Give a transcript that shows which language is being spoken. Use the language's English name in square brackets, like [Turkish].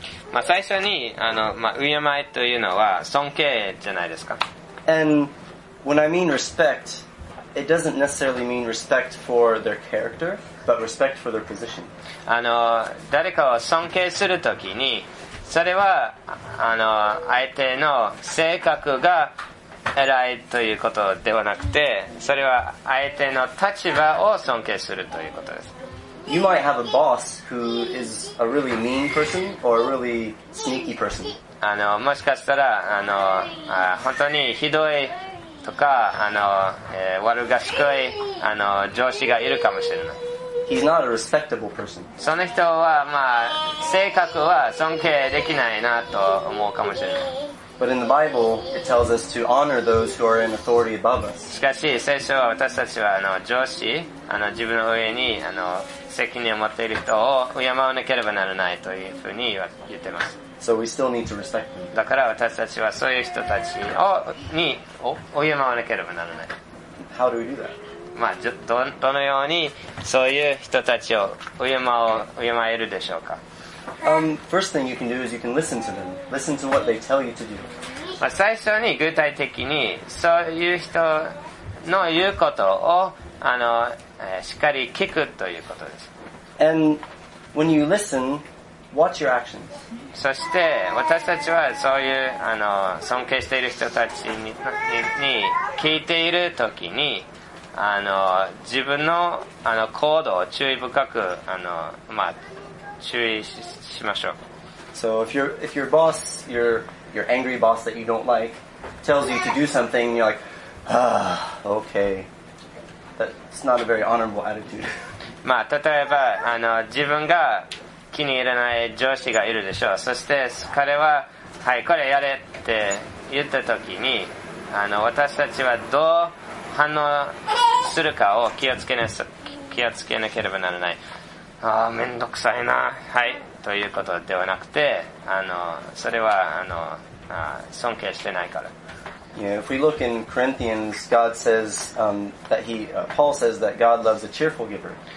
[Japanese] まあ、最初に、まあ、敬えというのは尊敬じゃないですか。 [English] And when I mean respect,It doesn't necessarily mean respect for their character, but respect for their position. [Japanese] 誰かを尊敬するときに、それは相手の性格が偉いということではなくて、それは相手の立場を尊敬するということです。 [English] You might have a boss who is a really mean person or a really sneaky person. [Japanese] もしかしたら本当にひどいとか悪賢い上司がいるかもしれない。 [English] He's not a respectable person. [Japanese] その人はまあ性格は尊敬できないなと思うかもしれない。 [English] But in the Bible, it tells us to honor those who are in authority above us. [Japanese] しかし聖書は私たちは上司自分の上に責任を持っている人を敬わなければならないというふうに言っています。 [English] So we still need to respect them. [Japanese] だから私たちはそういう人たちに敬わなければならない。 [English] How do we do that? [Japanese] まあ、どのようにそういう人たちを敬えるでしょうか。 [English] First thing you can do is you can listen to them. Listen to what they tell you to do. [Japanese] まあ、最初に具体的にそういう人の言うことをしっかり聞くということです。 [English] And when you listen,Watch your actions. [Japanese] そして私たちはそういう尊敬している人たちに聞いているときに自分の行動を注意深くまあ注意しましょう。 [English] So if your boss, your angry boss that you don't like, tells you to do something, you're like, okay. That's not a very honorable attitude. [Japanese] まあ、例えば、自分が気に入らない上司がいるでしょう。そして、彼は、はい、これやれって言ったときに、私たちはどう反応するかを気をつけなければならない。ああ、めんどくさいな。はい。ということではなくて、それは、尊敬してないから。 [English] You know, if we look in Corinthians, God says, Paul says that God loves a cheerful giver.